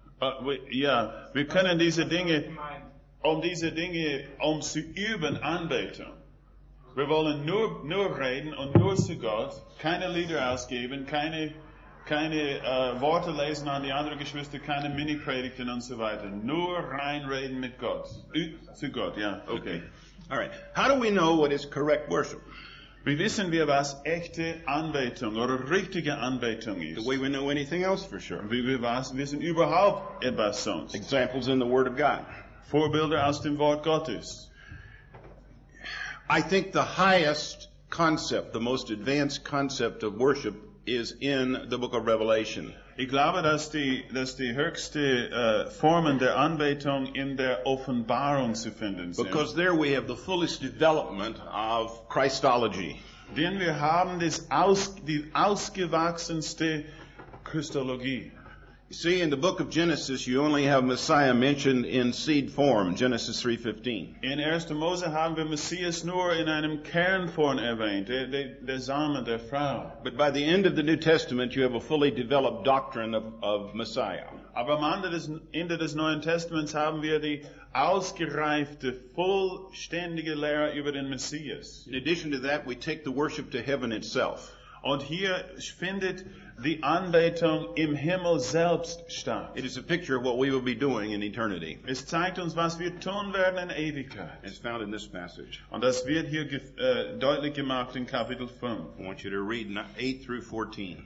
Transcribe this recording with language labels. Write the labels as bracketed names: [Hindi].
[German] Wir können diese Dinge zu üben, anbeten. Wir wollen nur reden und nur zu Gott, keine Lieder ausgeben, keine Worte lesen an die anderen Geschwister, keine Mini-Predigten und so weiter. Nur rein reden mit Gott. Zu Gott, ja, okay. [English] All right. How do we know what is correct worship? [German] Wie wissen wir, was echte Anbetung oder richtige Anbetung ist? [English] The way we know anything else for sure. [German] Wie wir wissen überhaupt etwas sonst? [English] Examples in the Word of God. [German] Vorbilder aus dem Wort Gottes. [English] I think the highest concept, the most advanced concept of worship is in the book of Revelation. [German] Ich glaube, dass die höchste Formen der Anbetung in der Offenbarung zu finden sind. [English] Because there we have the fullest development of Christology. [German] Denn wir haben die ausgewachsenste Christologie. [English] You see, in the book of Genesis, you only have Messiah mentioned in seed form, Genesis 3:15. [German] In 1. Mose haben wir Messias nur in einem Kernform erwähnt, der Same, der Frau. [English] But by the end of the New Testament, you have a fully developed doctrine of Messiah. [German] Aber am Ende des Neuen Testaments haben wir die ausgereifte, vollständige Lehre über den Messias. [English] In addition to that, we take the worship to heaven itself. [German] Und hier findet die Anbetung im Himmel selbst statt. [English] It is a picture of what we will be doing in eternity. [German] Es zeigt uns, was wir tun werden in Ewigkeit. [English] It's found in this passage. [German] Und das wird hier deutlich gemacht in Kapitel 5. [English] I want you to read 8 through 14.